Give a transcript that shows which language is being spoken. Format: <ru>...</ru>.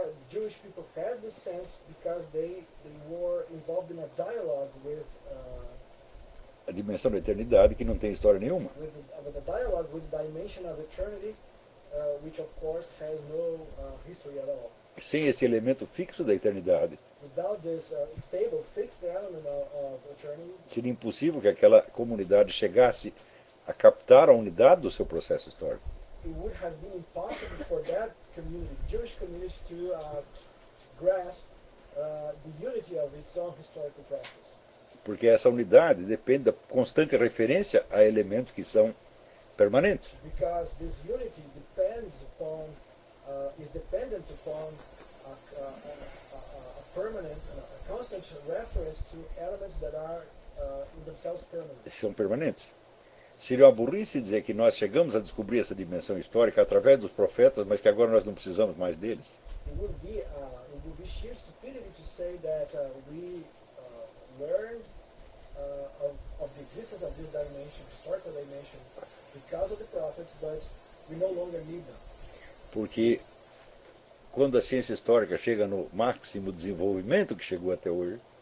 <en>Jewish people had this sense because they were involved in a dialogue with</en> <pt>a dimensão da eternidade, que não tem história nenhuma.</pt> <en>With a dialogue with the dimension of eternity, which of course has no history at all.</en> <pt>Sem esse elemento fixo da eternidade.</pt> <en>Without this stable, fixed element of eternity,</en> <pt>seria impossível que aquela comunidade chegasse a captar a unidade do seu processo histórico.</pt> <en>It would have been impossible for that community, Jewish community, to grasp the unity of its own historical process.</en> <pt>Porque essa unidade depende da constante referência a elementos que são permanentes.</pt> <en>Because this unity depends upon is dependent upon a permanent, a constant reference to elements that are in themselves permanent.</en> <pt>São permanentes. Seria uma burrice dizer que nós chegamos a descobrir essa dimensão histórica através dos profetas, mas que agora nós não precisamos mais deles.</pt> <en>It would be sheer stupidity to say that we learned of the existence of this dimension, historical dimension, because of the prophets, but we no longer need them.</en> <pt>Porque quando a ciência histórica chega no máximo desenvolvimento que chegou até hoje,</pt>